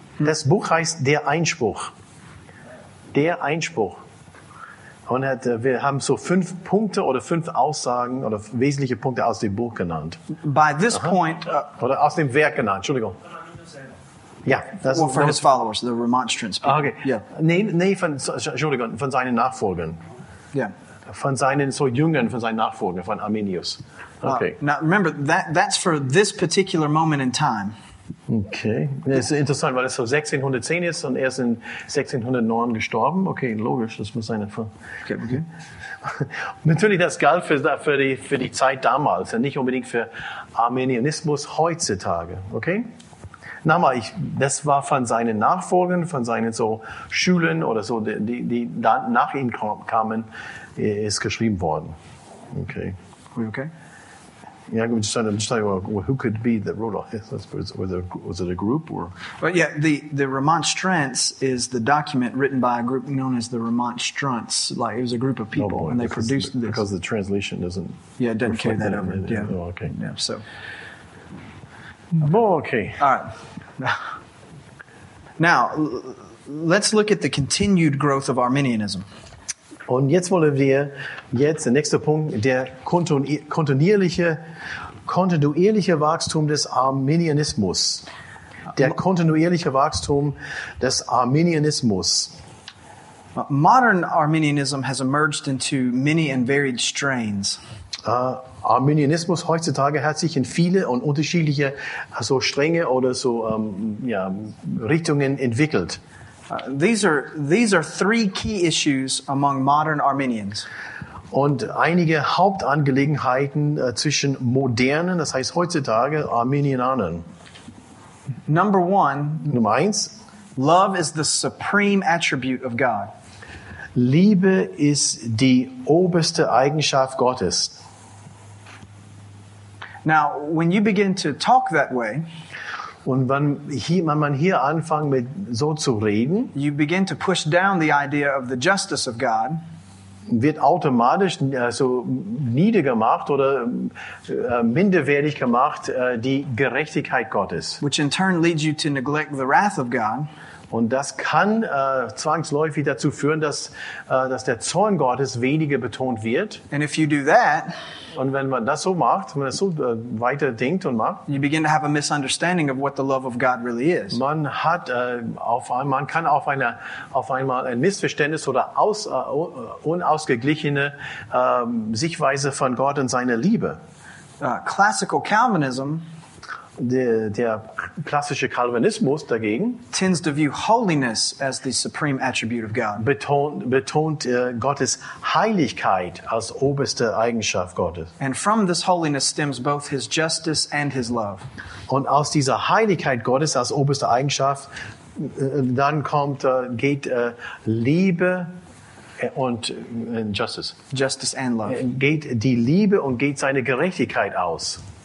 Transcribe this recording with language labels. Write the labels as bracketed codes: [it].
[de] Das Buch heißt Der Einspruch. Der Einspruch. Und wir haben so 5 Punkte oder 5 Aussagen oder wesentliche Punkte aus dem Buch genannt. [en] By this point, [de] oder aus dem Werk genannt, Entschuldigung. Ja, [en] das well, for his followers, the remonstrance people. Okay. Yeah. [de] Von seinen Nachfolgern. [en] Yeah. [de] Von seinen so Jüngern, von seinen Nachfolgern, von Arminius. [en] Okay. Now remember that's for this particular moment in time. Okay. [de] Das ist interessant, weil es so 1610 ist und er ist in 1609 gestorben. Okay, logisch, das muss sein. Okay. Natürlich, das galt für die Zeit damals und nicht unbedingt für Arminianismus heutzutage. Okay. Nochmal, das war von seinen Nachfolgern, von seinen so Schülern oder so, die dann nach ihm kamen, ist geschrieben worden. Okay. [en] Are you okay? Yeah, I'm just trying to tell you who could be the ruler. Was it a group or? But yeah, the Remonstrance is the document written by a group known as the Remonstrants. Like it was a group of people, oh boy, and they produced this because the translation doesn't. Yeah, it doesn't carry that over. It, yeah. Oh, okay. Yeah. So. Okay. Okay. All right. Now, let's look at the continued growth of Arminianism. [de] Und jetzt wollen wir jetzt der nächste Punkt der kontinuierliche Wachstum des Arminianismus. Der kontinuierliche Wachstum des Arminianismus. [en] Modern Arminianism has emerged into many and varied strains. [de] Arminianismus heutzutage hat sich in viele und unterschiedliche so Stränge oder so Richtungen entwickelt. [en] These are 3 key issues among modern Arminians. [de] Und einige Hauptangelegenheiten zwischen modernen, das heißt heutzutage, Arminianern. Nummer eins, [en] love is the supreme attribute of God. [de] Liebe ist die oberste Eigenschaft Gottes. [en] Now, when you begin to talk that way, [de] und wenn man hier anfängt mit so zu reden, [en] you begin to push down the idea of the justice of God, [de] wird automatisch also niedergemacht oder minderwertig gemacht die Gerechtigkeit Gottes, [en] which in turn leads you to neglect the wrath of God, [de] und das kann zwangsläufig dazu führen, dass der Zorn Gottes weniger betont wird. [en] And if you do that, [de] und wenn man das so macht, wenn man das so weiter denkt und macht, [en] you begin to have a misunderstanding of what the love of God really is. [de] Man hat auf einmal ein Missverständnis oder unausgeglichene Sichtweise von Gott und seiner Liebe. [en] Classical Calvinism [de] der klassische Calvinismus dagegen [en] tends to view holiness as the supreme attribute of God. [de] Betont Gottes Heiligkeit als oberste Eigenschaft Gottes. [en] And from this holiness stems both his justice and his love. [de] Und aus dieser Heiligkeit Gottes als oberste Eigenschaft dann kommt geht Liebe und justice [en] and love. [de] Geht die Liebe und geht seine Gerechtigkeit aus.